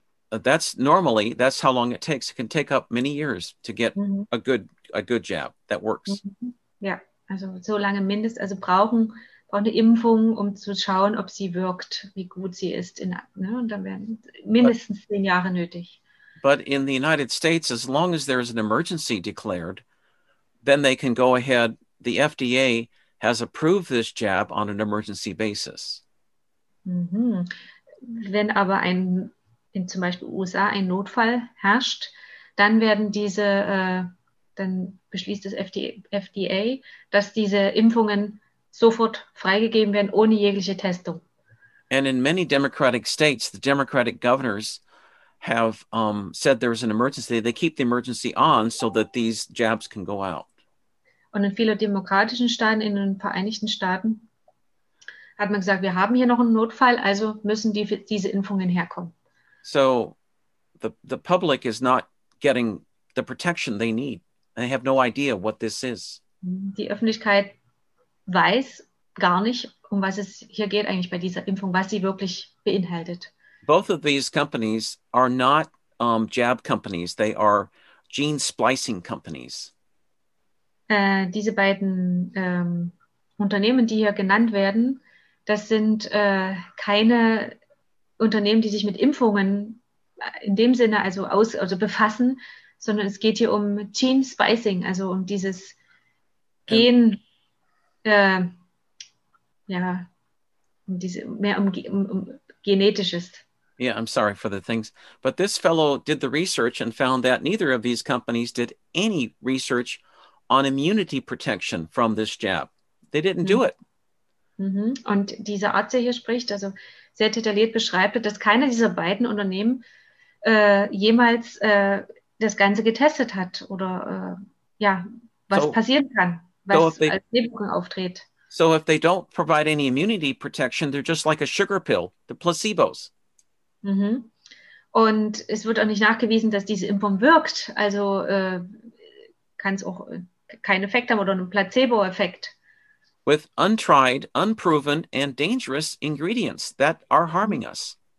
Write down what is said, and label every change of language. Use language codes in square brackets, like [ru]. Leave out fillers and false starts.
[en] That's normally, that's how long it takes. It can take up many years to get mm-hmm. a good jab that works. [de] Mm-hmm. Ja, also so lange mindestens. Also brauchen eine Impfung, um zu schauen, ob sie wirkt, wie gut sie ist. Und dann werden mindestens 10 Jahre nötig. [en] But in the United States, as long as there is an emergency declared, then they can go ahead. The FDA has approved this jab on an emergency basis. Mm-hmm. [de] Wenn aber in zum Beispiel USA ein Notfall herrscht, dann werden dann beschließt das FDA, dass diese Impfungen sofort freigegeben werden, ohne jegliche Testung. [en] And in many Democratic states, the Democratic governors have said there's an emergency. They keep the emergency on so that these jabs can go out. [de] Und in vielen demokratischen Staaten, in den Vereinigten Staaten, hat man gesagt, wir haben hier noch einen Notfall, also müssen diese Impfungen herkommen. [en] So the public is not getting the protection they need. They have no idea what this is. [de] Die Öffentlichkeit weiß gar nicht, um was es hier geht eigentlich bei dieser Impfung, was sie wirklich beinhaltet. [en] Both of these companies are not jab companies. They are gene splicing companies. [de] Diese beiden Unternehmen, die hier genannt werden, das sind keine Unternehmen, die sich mit Impfungen in dem Sinne also befassen, sondern es geht hier um gene splicing, also um dieses Gen, um genetisches. [en] Yeah, I'm sorry for the things. But this fellow did the research and found that neither of these companies did any research on immunity protection from this jab. They didn't do it. Mm-hmm. [de] Und dieser Arzt, der hier spricht, also sehr detailliert beschreibt, dass keiner dieser beiden Unternehmen jemals das Ganze getestet hat oder was so, passieren kann, was so als Nebenwirkung auftritt. [en] So if they don't provide any immunity protection, they're just like a sugar pill, the placebos. Mm-hmm. [de] Und es wird auch nicht nachgewiesen, dass diese Impfung wirkt. Also kann es auch keinen Effekt haben oder einen Placebo-Effekt. [en] With untried, unproven and dangerous ingredients that are harming us.